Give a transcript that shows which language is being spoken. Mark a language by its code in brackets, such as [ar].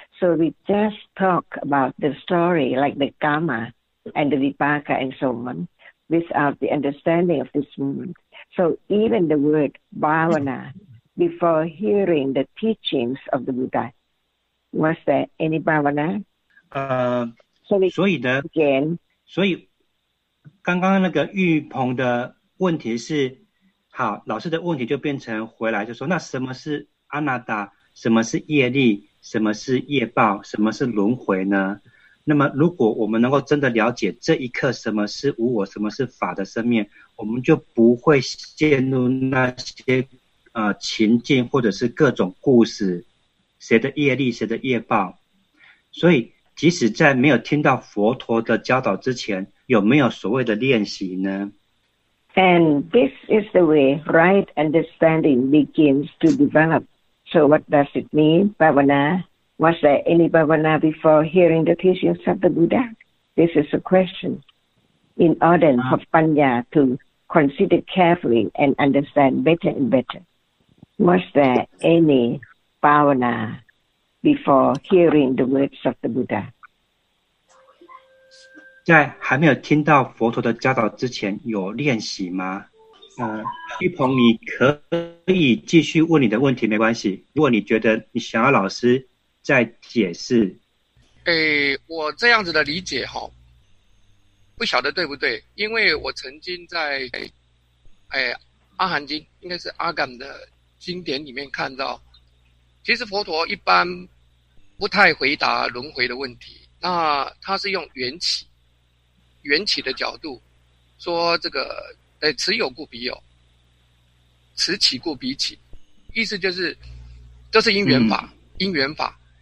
[en] So we just talk about the story like the karma and the vipaka and so on without the understanding of this moment. So even the word bhavana, before hearing the teachings of the Buddha, was there any bhavana? [zh] So 刚刚那个玉鹏的问题是好，老师的问题就变成回来就说，那什么是阿那达，什么是业力，什么是业报，什么是轮回呢？那么如果我们能够真的了解这一刻什么是无我，什么是法的生灭，我们就不会陷入那些情境或者是各种故事，谁的业力，谁的业报。所以即使在没有听到佛陀的教导之前，有没有所谓的练习呢？ [en] And this is the way right understanding begins to develop. So what does it mean, Bhavana? Was there any Bhavana before hearing the teachings of the Buddha? This is a question. In order for Panya to consider carefully and understand better and better, was there any Bhavana before hearing the words of the Buddha? [zh] 在还没有听到佛陀的教导之前有练习吗？玉鹏，你可以继续问你的问题，没关系。如果你觉得你想要老师再解释。我这样子的理解齁，不晓得对不对，因为我曾经在阿含经，应该是阿甘的经典里面看到，其实佛陀一般不太回答轮回的问题，那他是用缘起的角度说这个此有故彼有，此起故彼起，意思就是这是因缘法、因缘法。